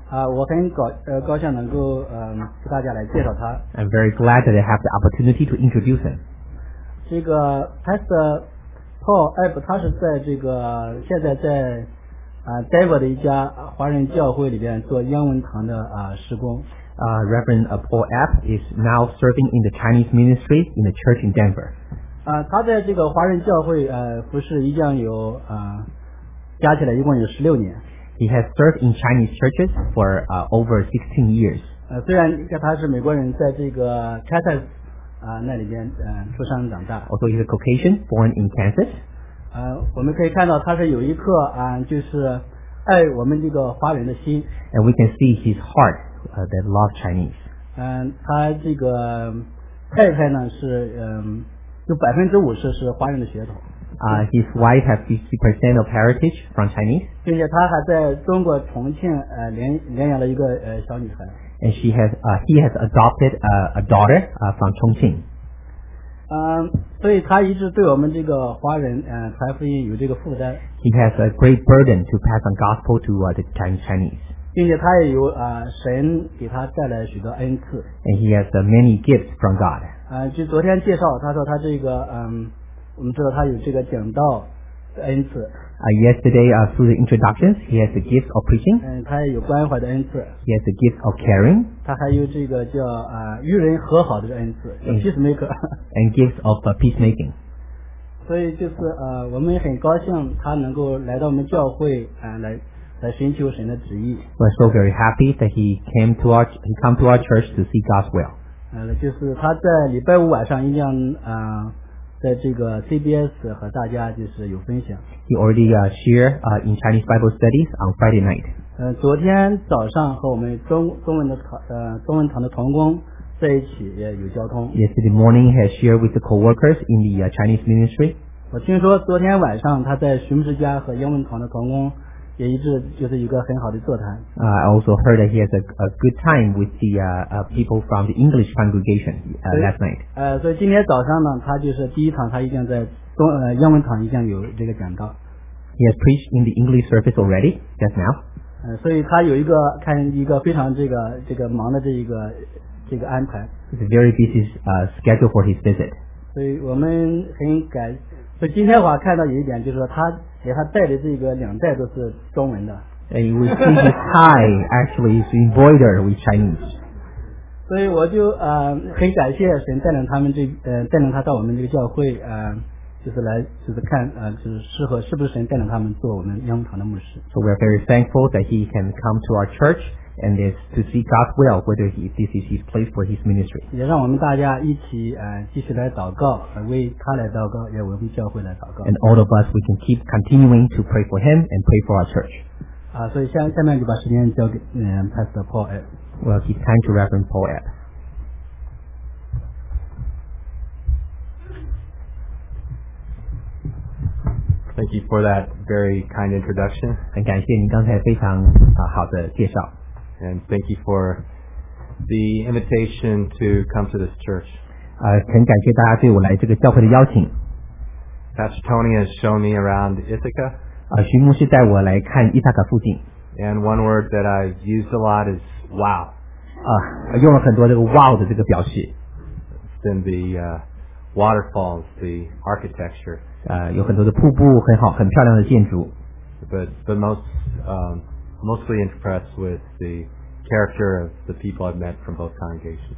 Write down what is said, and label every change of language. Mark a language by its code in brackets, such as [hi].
[zh] 我很高兴能够给大家来介绍他。 [en] I'm very glad that I have the opportunity to introduce him. [zh] 这个 Pastor Paul Epp 他是在这个现在在Denver 的一家华人教会里边做英文堂的事工。 [en] Reverend Paul Epp is now serving in the Chinese ministry in the church in Denver. [zh] 他在这个华人教会服侍已经有加起来一共有16年。 [en] He has served in Chinese churches for over 16 years. [zh] 虽然他是美国人，在这个 Kansas 那里边出生长大。 [en] Also, he's a Caucasian, born in Kansas. [zh] 我们可以看到他是有一颗就是爱我们这个华人的心。 [en] And we can see his heart that loves Chinese. [zh] 他这个太太呢是有50%是华人的血统。 [en] His wife has 50% of heritage from Chinese. [zh] 并且她还在中国重庆领养了一个小女孩。 [en] And she has he has adopted a daughter from Chongqing. [zh] 所以她一直对我们这个华人传福音有这个负担。 [en] He has a great burden to pass on gospel to the Chinese. [zh] 并且她也有神给她带来许多恩赐。 [en] And he has many gifts from God. [zh] 就昨天介绍，她说她这个我们知道他有这个讲道的恩赐。 [en] Yesterday, through the introductions, he has the gift of preaching. [zh] 他也有关怀的恩赐。 [en] He has the gift of caring. [zh] 他还有这个叫与人和好的恩赐 ，peacemaker. [en] And gifts of peacemaking. [zh] 所以就是我们很高兴他能够来到我们教会来寻求神的旨意。 [en] We're so very happy that he came to our church to see God's will. [zh] 就是他在礼拜五晚上一样在这个 CBS 和大家就是有分享。 [en] He already shared in Chinese Bible studies on Friday night. [zh] 昨天早上和我们中文堂的同工在一起也有交通。 [en] Yesterday morning he shared with the co-workers in the Chinese ministry. [zh] 我听说昨天晚上他在徐牧师家和英文堂的同工也一直就是一个很好的座谈。 [en] I also heard that he has a good time with the people from the English congregation last night. [zh] 所以今天早上呢，他就是第一堂，他已经在英文堂已经有这个讲道。 [en] He has preached in the English service already just now. [zh] 所以他有一个看一个非常这个这个忙的这一个这个安排。 [en] It's a very busy schedule for his visit. [zh] 所以我们很感，所以今天我还看到有一点，就是说他给他带的这个两袋都是中文的。 [en] And we see his tie actually is embroidered with Chinese. [zh] 所以我就很感谢神带领他们这带领他到我们这个教会就是来就是看就是适合是不是神带领他们做我们央牧堂的牧师。 [en] So we are very thankful that he can come to our church and is to see God's will whether this is his place for his ministry. [zh] 也让我们大家一起继续来祷告，为他来祷告，也为我们教会来祷告。 [en] And all of us, we can keep continuing to pray for him and pray for our church. [zh] 所以下面就把时间交给Pastor Paul Ed. [en] Well, give time to Reverend Paul Ed. Thank you for that very kind introduction. [zh] 很感谢您刚才非常好的介绍。 [en] And thank you for the invitation to come to this church. [zh] 很感谢大家对我来这个教会的邀请。 [en] Pastor Tony has shown me around Ithaca. [zh] 徐牧师带我来看伊萨卡附近。 [en] And one word that I've used a lot is wow. [zh] 用了很多这个 wow 的这个表示。 [en] Then the waterfalls, the architecture. [zh] 有很多的瀑布，很好，很漂亮的建筑。 [en] But mostly impressed with the character of the people I've met from both congregations.